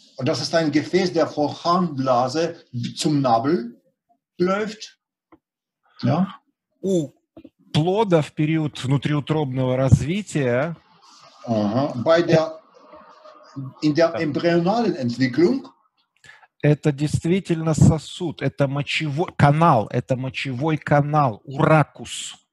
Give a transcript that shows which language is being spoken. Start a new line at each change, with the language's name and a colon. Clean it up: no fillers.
German: Und das ist ein Gefäß, der von Harnblase zum Nabel läuft. Ja.
Russian: У плода в период внутриутробного развития.
German: Bei der, in der embryonalen Entwicklung.
Russian: Это действительно сосуд, это мочевой канал, это мочевой канал, уракус.